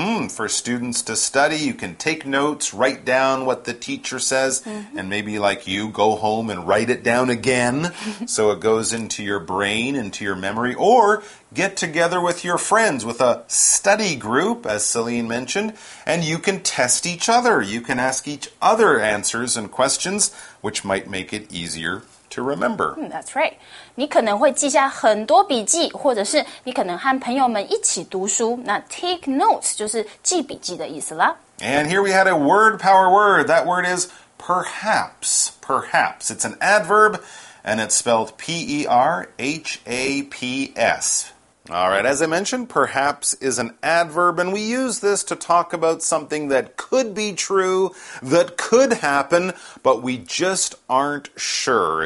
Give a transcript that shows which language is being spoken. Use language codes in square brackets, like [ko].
[en] For students to study, you can take notes, write down what the teacher says, and maybe like you, go home and write it down again so it goes into your brain, into your memory, or get together with your friends with a study group, as Celine mentioned, and you can test each other. You can ask each other answers and questions, which might make it easier to remember. That's right. [zh] 你可能会记下很多笔记，或者是你可能和朋友们一起读书。那 take notes 就是记笔记的意思啦。 [en] And here we had a word power word. That word is perhaps. Perhaps. It's an adverb and it's spelled P-E-R-H-A-P-S. All right. As I mentioned, perhaps is an adverb and we use this to talk about something that could be true, that could happen, but we just aren't sure.